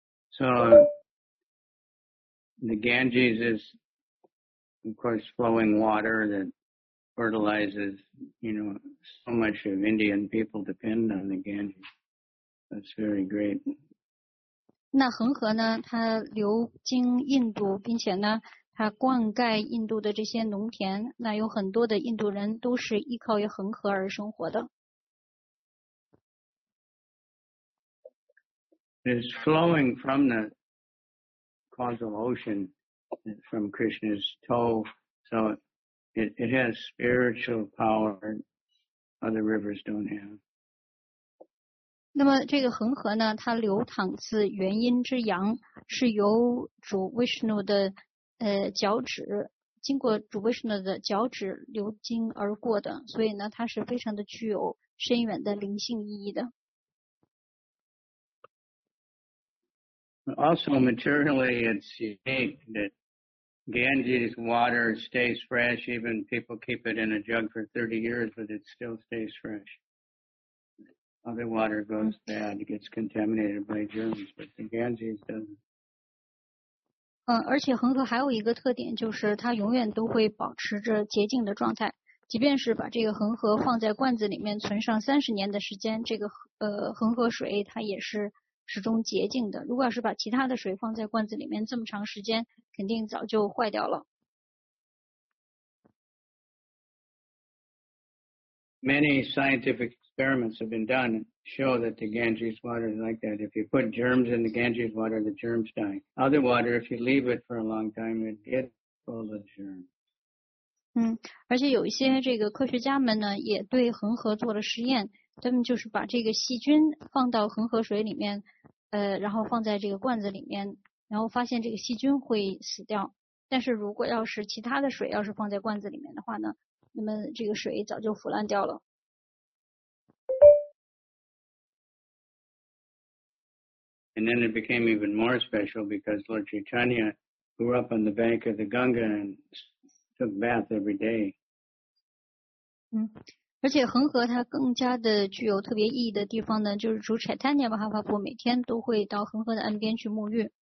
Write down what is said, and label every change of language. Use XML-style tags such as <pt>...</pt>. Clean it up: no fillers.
<en>So the Ganges is of course flowing water thatfertilizes, you know, so much of Indian people depend on the Ganges. That's very great.</en> <zh>那恒河呢，它流经印度，并且呢，它灌溉印度的这些农田。那有很多的印度人都是依靠于恒河而生活的。</zh> <en>It's flowing from the causal ocean, from Krishna's toe, so. It has spiritual power other rivers don't have.</en> <zh>那么这个恒河呢，它流淌自元阴之阳，是由主 Vishnu 的脚趾，经过主 Vishnu 的脚趾流经而过的，所以呢，它是非常的具有深远的灵性意义的。</zh> <en>Also, materially, it's unique that. Ganges water stays fresh, even people keep it in a jug for 30 years, but it still stays fresh. Other water goes bad, it gets contaminated by germs, but the Ganges doesn't.</en> <zh>而且恒河还有一个特点，就是它永远都会保持着洁净的状态，即便是把这个恒河放在罐子里面存上30年的时间，这个恒河水它也是始终洁净的。如果要是把其他的水放在罐子里面这么长时间，肯定早就坏掉了。</zh> <en>Many scientific experiments have been done show that the Ganges water is like that. If you put germs in the Ganges water, the germs die. Other water, if you leave it for a long time, it gets full of germs.</en> <zh>而且有一些这个科学家们呢，也对恒河做了实验。他们就是把这个细菌放到恒河水里面，然后放在这个罐子里面，然后发现这个细菌会死掉。但是如果要是其他的水要是放在罐子里面的话呢，那么这个水早就腐烂掉了。</zh> <en>And then it became even more special because Lord Chaitanya grew up on the bank of the Ganga and took bath every day.</en> <zh>而且恒河它更加的具有特别意义的地方呢，就是主 Chaitanya Mahaprabhu 每天都会到恒河的岸边去沐浴。</zh>